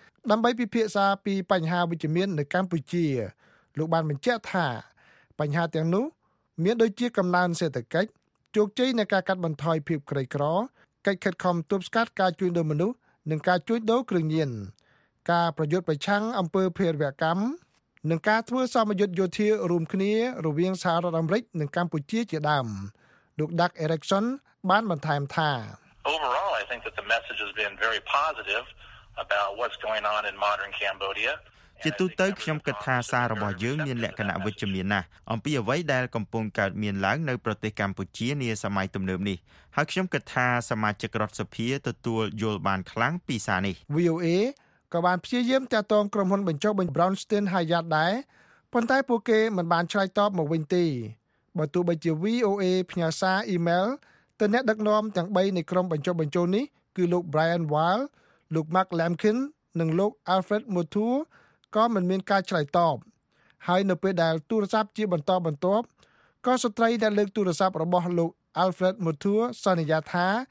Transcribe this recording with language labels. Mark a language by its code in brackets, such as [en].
[km] ដើម្បីពិភាក្សាពីបញ្ហាវិជ្ជមាននៅកម្ពុជាលោកបានបញ្ជាក់ថាបញ្ហាទាំងនោះមានដូចជាកំណើនសេដ្ឋកិច្ចជោគជ័យនៃការកាត់បន្ថយភាពក្រីក្រកិច្ចខិតខំទប់ស្កាត់ការជួញដូរមនុស្សនិងការជួញដូរគ្រឿងញៀនការប្រយុទ្ធប្រឆាំងអំពើភេរវកម្មនិងការធ្វើសមយុទ្ធយោធារួមគ្នារវាងសហរដ្ឋអាមេរិកនិងកម្ពុជាជាដើមលោក Doug Erickson បានបន្ថែមថា [en] Overall I think that the message has been very positive about what's going on in modern Cambodia [km] ជាទូទៅខ្ញុំគិតថាសាររបស់យើងមានលក្ខណៈវិជ្ជមានណាស់អំពីអ្វីដែលកំពុងកើតមានឡើងនៅប្រទេសកម្ពុជានាសម័យទំនើបនេះហើយខ្ញុំគិតថាសមាជិករដ្ឋសភាទទួលយល់បានខ្លាំងពីសារនេះ VOA ក៏បានព្យាយាមទាក់ទងក្រុមហ៊ុនបញ្ចុះបញ្ចូល Bronston Hyatt ដែរប៉ុន្តែពួកគេមិនបានឆ្លើយតបមកវិញទេបើទោះបីជា VOA ផ្ញើសារ email ទៅអ្នកដឹកនាំទាំង3នៃក្រុមបញ្ចុះបញ្ចូលនេះគឺលោក Brian Wall លោក Mark Lamkin និងលោក Alfred Mutu ក៏មិនមានការឆ្លើយតបហើយនៅពេលដែលទូរស័ព្ទជាបន្តបន្ទាប់ក៏ស្ត្រីដែលលើកទូរស័ព្ទរបស់លោក Alfred Mutu សន្យាថា